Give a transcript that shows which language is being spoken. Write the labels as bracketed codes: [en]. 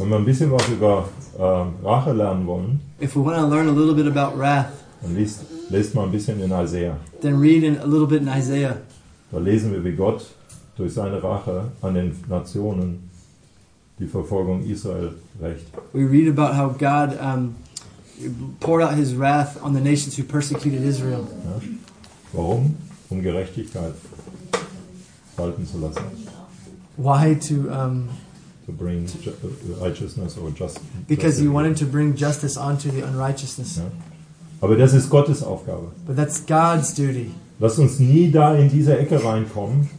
[de] Wenn wir ein bisschen was über Rache lernen wollen, [en] if we want to learn a little bit about wrath, [de] dann lest mal ein bisschen in Isaiah. [en] Then read a little bit in Isaiah. [de] Da lesen wir, wie Gott durch seine Rache an den Nationen die Verfolgung Israel rächt. [en] We read about how God poured out his wrath on the nations who persecuted Israel. [de] Ja. Warum? Um Gerechtigkeit walten zu lassen. [en] Why to bring righteousness or justice? Because he wanted to bring justice onto the unrighteousness. [de] Ja. Aber das ist Gottes Aufgabe. [en] But that's God's duty. [de] Lass uns nie da in diese Ecke reinkommen.